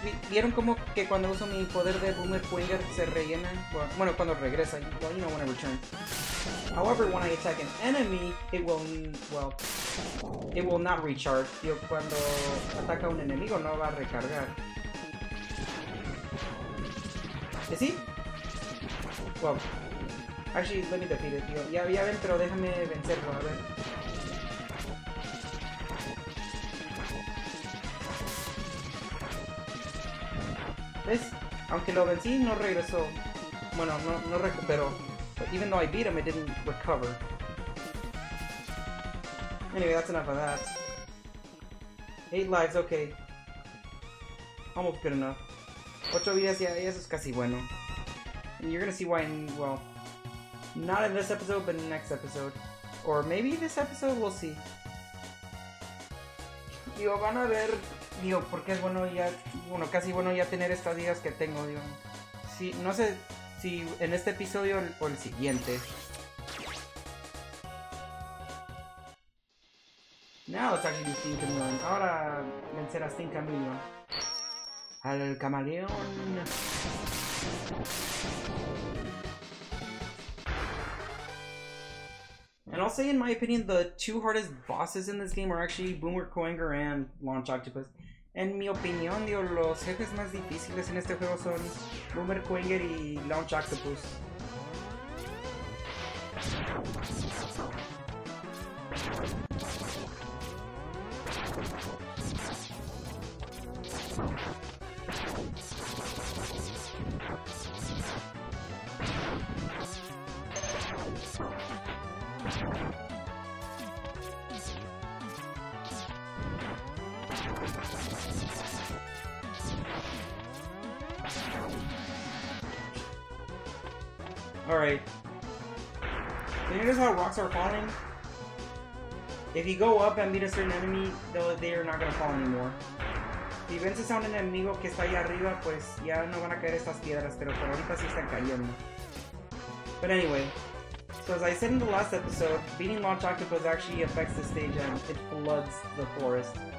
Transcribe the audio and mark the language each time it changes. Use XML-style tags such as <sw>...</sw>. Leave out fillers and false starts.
<es>¿Vieron como que cuando uso mi poder de Boomer Poenger se rellena? Bueno, cuando regresa,</es> <en>well, you know, when I return. However, when I attack an enemy, it will not recharge.</en> <es>Yo, cuando ataca a un enemigo, no va a recargar.</es> <en>¿Sí? Well, actually, let me defeat it.</en> <es>Yo, ya ven, pero déjame vencerlo, a ver. ¿Ves? Aunque lo vencí, no regresó. Bueno, no recuperó.</es> <en>But even though I beat him, it didn't recover. Anyway, that's enough of that. 8 lives, okay. Almost good enough.</en> <es>8 vidas, yeah, eso es casi bueno.</es> <en>And you're gonna see why in, well, not in this episode, but in the next episode. Or maybe this episode, we'll see.</en> <es>Digo, van a ver, digo, porque es bueno ya, bueno, casi bueno ya tener estas vidas que tengo, digo. Sí, no sé si en este episodio o el siguiente.</es> <en>Now it's actually Stink Chameleon.</en> <es>Ahora vencer a Stink Chameleon. Al camaleón.</es> <en>And I'll say, in my opinion, the two hardest bosses in this game are actually Boomer Poenger and Launch Octopus.</en> <es>En mi opinión, digo, los jefes más difíciles en este juego son Boomer Quinger y Launch Octopus.</es> <en>Are falling. If you go up and beat a certain enemy, they are not gonna fall anymore.</en> <es>Si vences a un enemigo que está ahí arriba, pues ya no van a caer estas piedras, pero por ahorita sí están cayendo.</es> <en>But anyway, so as I said in the last episode, beating Launch Octopus actually affects the stage and it floods the forest.</en>